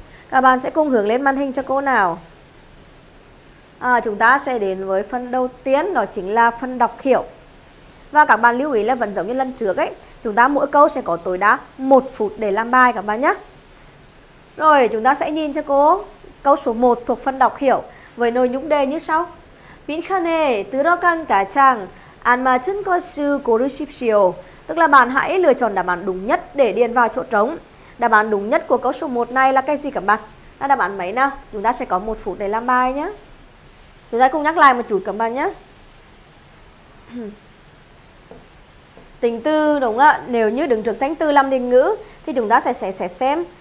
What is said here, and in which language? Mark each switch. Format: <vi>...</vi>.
<vi>Các bạn sẽ cùng hướng lên màn hình cho cô nào. Chúng ta sẽ đến với phần đầu tiên, đó chính là phần đọc hiểu. Và các bạn lưu ý là vẫn giống như lần trước ấy, chúng ta mỗi câu sẽ có tối đa 1 phút để làm bài các bạn nhé. Rồi chúng ta sẽ nhìn cho cô câu số 1 thuộc phần đọc hiểu với nội dung đề như sau.</vi> <ko>빈칸에 들어간 가장 안 맞은 것을 고르십시오.</ko> <vi>Tức là bạn hãy lựa chọn đáp án đúng nhất để điền vào chỗ trống. Đáp án đúng nhất của câu số 1 này là cái gì các bạn? Là đáp án mấy nào? Chúng ta sẽ có 1 phút để làm bài nhé. Chúng ta cùng nhắc lại một chút các bạn nhé. Tính từ đúng ạ. Nếu như đứng trước danh từ làm định ngữ thì chúng ta sẽ xem.</vi>